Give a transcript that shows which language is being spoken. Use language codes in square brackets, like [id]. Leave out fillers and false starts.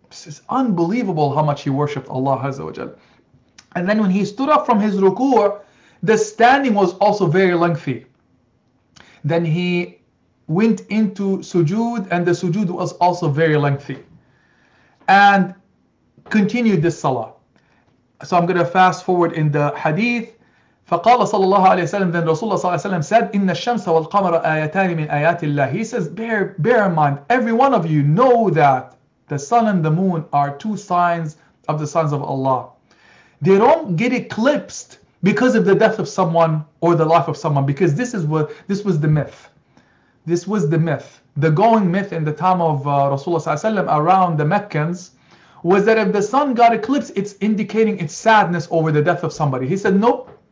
[en] It's unbelievable how much he worshipped Allah Azza wa Jal. And then when he stood up from his ruku', the standing was also very lengthy. Then he went into sujood and the sujood was also very lengthy. And continued this salah. So I'm going to fast forward in the hadith. [ar] فَقَالَ صَلَى اللَّهُ عَلَيْهِ وَسَلَّمَ [en] Then Rasulullah [ar] صلى الله عليه وسلم [en] said, [ar] إِنَّ الشَّمْسَ وَالْقَمَرَ آيَتَانِ مِنْ آيَاتِ اللَّهِ. [en] He says, bear in mind, every one of you know that the sun and the moon are two signs of the signs of Allah. They don't get eclipsed because of the death of someone or the life of someone, because this was the myth. The going myth in the time of Rasulullah صلى الله عليه وسلم around the Meccans was that if the sun got eclipsed, it's indicating its sadness over the death of somebody. He said, nope.